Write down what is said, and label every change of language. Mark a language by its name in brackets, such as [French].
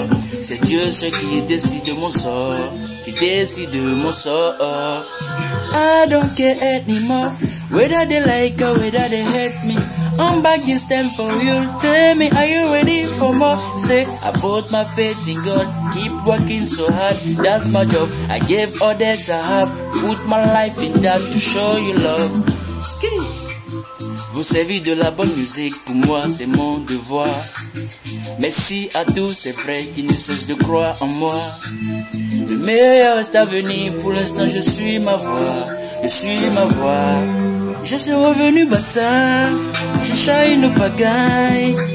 [French] C'est Dieu seul qui décide de mon sort. Qui décide de mon sort. [English] I don't care anymore. Whether they like or whether they hate me. I'm back this time for you. Tell me, are you ready for more? Say, I put my faith in God. Keep working so hard. That's my job. I gave all that I have. Put my life in that to show you love. Ski. [French] Vous servez de la bonne musique, pour moi c'est mon devoir. Merci à tous ces frères qui ne cessent de croire en moi. Le meilleur reste à venir, pour l'instant je suis ma voix. Je suis ma voix. Je suis revenu bâtard, je chahine nos pagailles.